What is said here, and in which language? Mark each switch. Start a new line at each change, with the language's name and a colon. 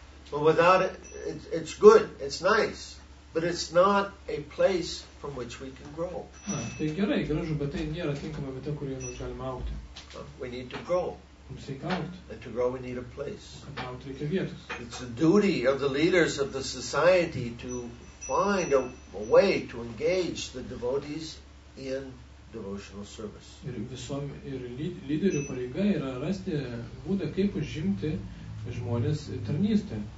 English: But without it, it's good, it's nice, but it's not a place from which we can grow.
Lithuanian: Tai gerai, gražu, bet tai nėra tinkama vieta, kurioje mes galime augti.
English: We need to grow.
Lithuanian: Mums reikia augti.
English: And to grow, we need a place.
Lithuanian: Kad augti, reikia vietos.
English: It's a duty of the leaders of the society to find a way to engage the devotees in devotional service.
Lithuanian: Ir visom ir lyderių pareiga yra rasti būdą, kaip užimti žmonės tarnystę.